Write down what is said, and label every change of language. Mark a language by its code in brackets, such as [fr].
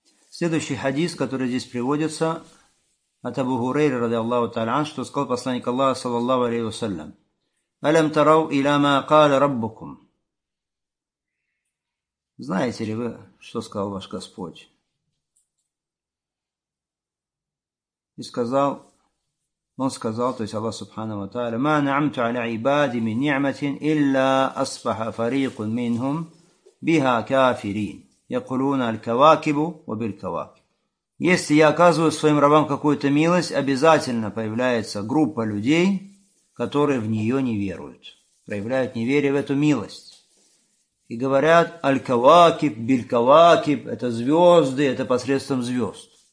[ru] Следующий хадис, который здесь приводится, от Абу Хурейры, ради Аллаху Тааля, что сказал посланник Аллаха, саллаллаху алейхи ва саллям. [ar] ألم تروا إلى ما قال ربكم. [ru] Знаете ли вы, что сказал ваш Господь? И сказал, он сказал, то есть Аллах Субхана ва Тааля, [ar] ما نعمت على عباد من نعمة إلا أصبح فريق منهم بها كافرين. يقولون الكواكب وبالكواكب. [ru] Если я оказываю своим рабам какую-то милость, обязательно появляется группа людей, которые в нее не веруют, проявляют неверие в эту милость. И говорят, аль-кавакиб, биль-кавакиб, это звезды, это посредством звезд.